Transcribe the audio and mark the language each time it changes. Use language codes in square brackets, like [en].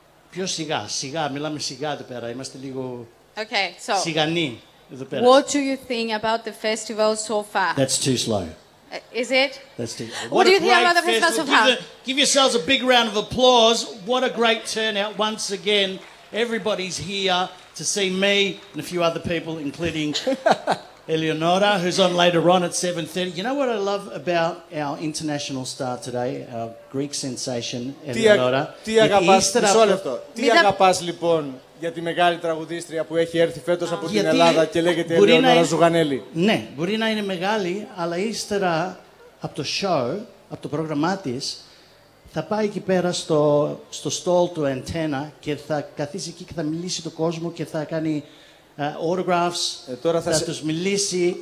[el] Πιο σιγά, σιγά, μιλάμε σιγά εδώ πέρα. Είμαστε λίγο σιγανοί εδώ πέρα. [en] What do you think about the festival so far? That's too slow. Is it? That's too... What do you think about the festival so far? Give yourselves a big round of applause. What a great turnout once again. Everybody's here to see me and a few other people, including Eleonora, who's on later on at 7:30. You know what I love about our international star today, our Greek sensation, Eleonora? [el] Τι αγαπάς, μισό λεπτό. Τι αγαπάς, λοιπόν, για τη μεγάλη τραγουδίστρια που έχει έρθει φέτος από την Ελλάδα και λέγεται Eleonora Zouganelli. Ναι, μπορεί να είναι μεγάλη, αλλά ύστερα από το show, από το πρόγραμμά της, θα πάει εκεί πέρα στο stall του Antenna και θα καθίσει εκεί και θα μιλήσει το κόσμο και θα κάνει autographs, θα τους μιλήσει.